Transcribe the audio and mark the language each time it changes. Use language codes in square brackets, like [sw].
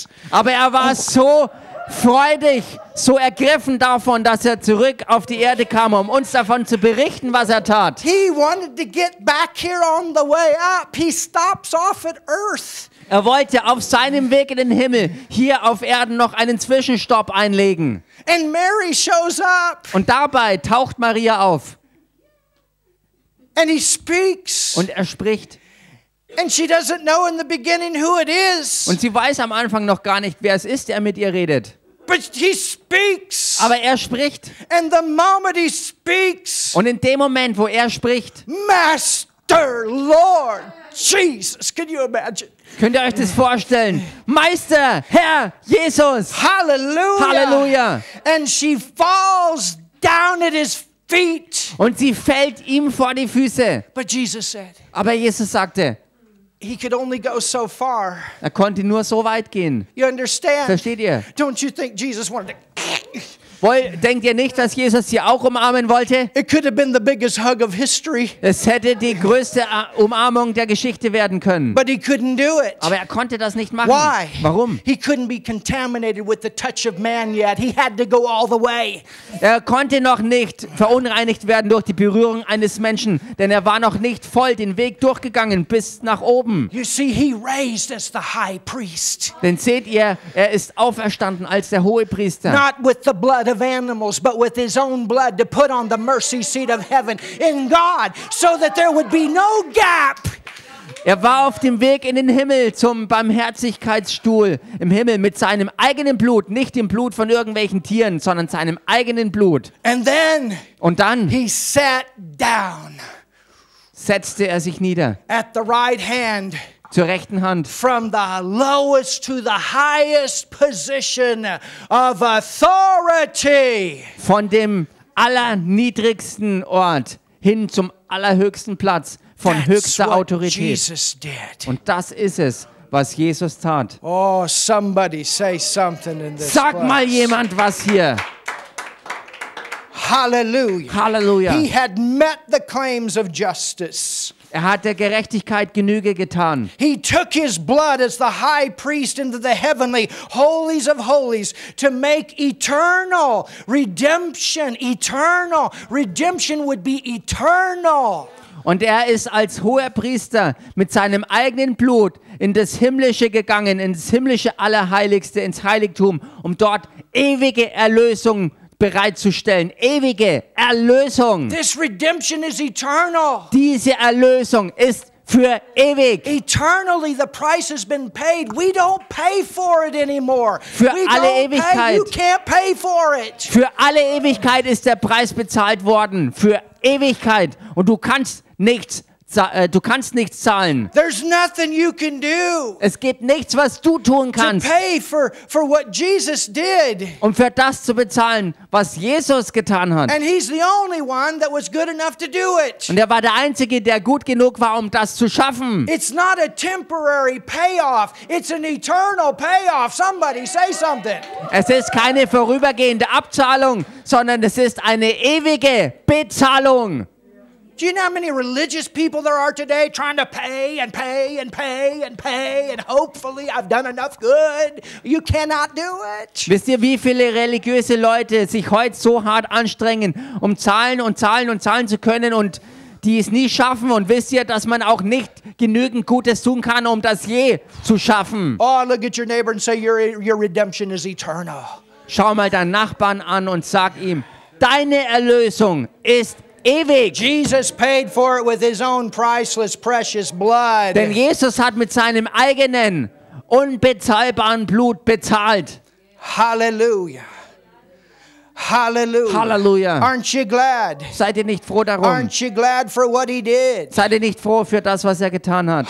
[de] Aber er war so freudig, so ergriffen davon, dass er zurück auf die Erde kam, um uns davon zu berichten, was er tat. [en] He wanted to get back here on the way up. He stops off at Earth. [de] Er wollte auf seinem Weg in den Himmel hier auf Erden noch einen Zwischenstopp einlegen. [en] And Mary shows up. [de] Und dabei taucht Maria auf. [en] And he speaks. [de] Und er spricht. [en] And she doesn't know in the beginning who it is. [de] Und sie weiß am Anfang noch gar nicht, wer es ist, der mit ihr redet. [en] But he speaks. [de] Aber er spricht. [en] And the moment he speaks. [de] Und in dem Moment, wo er spricht. [en] Master, Lord, Jesus, can you imagine? [de] Könnt ihr euch das vorstellen? Meister, Herr, Jesus. Hallelujah. Hallelujah. [en] And she falls down at his feet. [de] Und sie fällt ihm vor die Füße. [en] But Jesus said. [de] Aber Jesus sagte. [en] He could only go so far. [de] Er konnte nur so weit gehen. [en] You understand? [de] Versteht ihr? [en] Don't you think Jesus wanted to... [de] Denkt ihr nicht, dass Jesus sie auch umarmen wollte? [en] It could have been the biggest hug of history. [de] Es hätte die größte Umarmung der Geschichte werden können. [en] But he couldn't do it. [de] Aber er konnte das nicht machen. [en] Why? [de] Warum? [en] He couldn't be contaminated with the touch of man yet. He had to go all the way. [de] Er konnte noch nicht verunreinigt werden durch die Berührung eines Menschen, denn er war noch nicht voll den Weg durchgegangen bis nach oben. [en] You see, he raised as the high priest. [de] Denn seht ihr, er ist auferstanden als der Hohepriester. [en] Not with the blood of animals, but with his own blood to put on the mercy seat of heaven in God, so that there would be no gap. [de] Er war auf dem Weg in den Himmel zum Barmherzigkeitsstuhl im Himmel mit seinem eigenen Blut, nicht dem Blut von irgendwelchen Tieren, sondern seinem eigenen Blut. [en] And then, [de] und dann, [en] he sat down, [de] setzte er sich nieder, [en] at the right hand, [de] zur rechten Hand. [en] From the lowest to the highest position of authority. [de] Von dem allerniedrigsten Ort hin zum allerhöchsten Platz von höchster Autorität. [en] Jesus did. [de] Und das ist es, was Jesus tat. [en] Oh, somebody say something in this [de] Sag [en] place. [de] Mal jemand was hier. Hallelujah. Hallelujah. [en] He had met the claims of justice. [de] Er hat der Gerechtigkeit Genüge getan. [en] He took his blood as the high priest into the heavenly holies of holies to make eternal redemption would be eternal. [de] Und er ist als hoher Priester mit seinem eigenen Blut in das Himmlische gegangen, ins Himmlische Allerheiligste, ins Heiligtum, um dort ewige Erlösung bereitzustellen. Ewige Erlösung. [en] This redemption is eternal. [de] Diese Erlösung ist für ewig. [en] Eternally the price has been paid. We don't pay for it anymore. [de] Für alle Ewigkeit. [en] You can't pay for it. [de] Für alle Ewigkeit ist der Preis bezahlt worden. Für Ewigkeit. Und du kannst nichts zahlen. [en] There's nothing you can do. [de] Es gibt nichts, was du tun kannst. [en] To pay for what Jesus did. [de] Um für das zu bezahlen, was Jesus getan hat. [en] And he's the only one that was good enough to do it. [de] Und er war der einzige, der gut genug war, um das zu schaffen. [en] It's not a temporary payoff. It's an eternal payoff. Somebody say something. [de] Es ist keine vorübergehende Abzahlung, sondern es ist eine ewige Bezahlung. [en] Do you know how many religious people there are today trying to pay and pay and pay and pay and hopefully I've done enough good? You cannot do it. [de] Wisst ihr, wie viele religiöse Leute sich heute so hart anstrengen, um zahlen und zahlen und zahlen zu können und die es nie schaffen? Und wisst ihr, dass man auch nicht genügend Gutes tun kann, um das je zu schaffen? [en] Oh, look at your neighbor and say your redemption is eternal. [de] Schau mal deinen Nachbarn an und sag ihm, deine Erlösung ist ewig. [en] Jesus paid for it with his own priceless, precious blood. [de] Denn Jesus hat mit seinem eigenen, unbezahlbaren Blut bezahlt. Halleluja. Halleluja. Halleluja. [en] Aren't you glad? [de] Seid ihr nicht froh darum? [en] Aren't you glad for what he did? [de] Seid ihr nicht froh für das, was er getan hat?